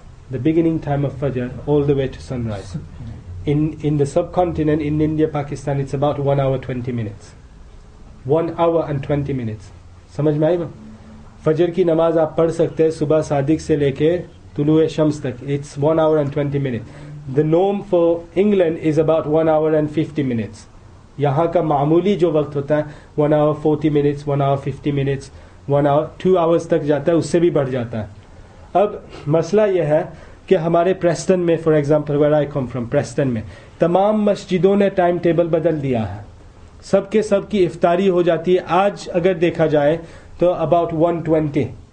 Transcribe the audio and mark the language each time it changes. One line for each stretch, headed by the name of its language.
English: The beginning time of Fajr all the way to sunrise. In the subcontinent, in India, Pakistan, it's about 1 hour 20 minutes. 1 hour and 20 minutes.
Urdu: سمجھ میں آئی بات؟ فجر کی نماز آپ پڑھ سکتے ہیں صبح صادق سے لے کے طلوع شمس تک,
English: It's 1 hour and 20 minutes. The norm for England is about 1 hour and 50 minutes.
Urdu: یہاں کا معمولی جو وقت ہوتا ہے
English: 1 hour 40 minutes, 1 hour 50 minutes, 2 hours
Urdu: تک جاتا ہے, اس سے بھی بڑھ جاتا ہے. اب مسئلہ یہ ہے کہ ہمارے پریسٹن میں,
English: for example where I come from,
Urdu: Preston میں تمام مسجدوں نے ٹائم ٹیبل بدل دیا ہے, سب کے سب کی افطاری ہو جاتی ہے آج اگر دیکھا جائے تو
English: about 1:20